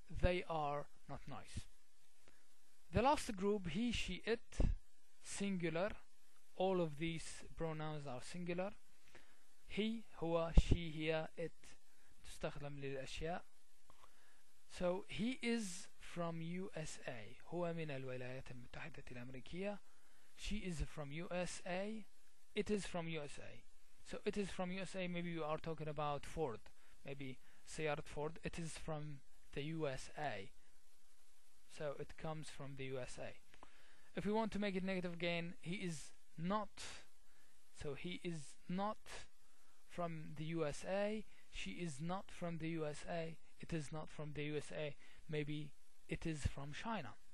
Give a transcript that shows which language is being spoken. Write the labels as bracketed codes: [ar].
[en] They are not nice. The last group, he, she, it, singular. All of these pronouns are singular. He, هو, she, here, it, [ar] تستخدم للأشياء. [en] So he is from USA. [ar] هو من الولايات المتحدة الأمريكية. [en] She is from USA. It is from USA. So it is from USA. Maybe you are talking about Ford. Maybe سيارة Ford. It is from the USA. So it comes from the USA. If we want to make it negative again, he is not. So he is not from the USA, she is not from the USA, it is not from the USA, maybe it is from China.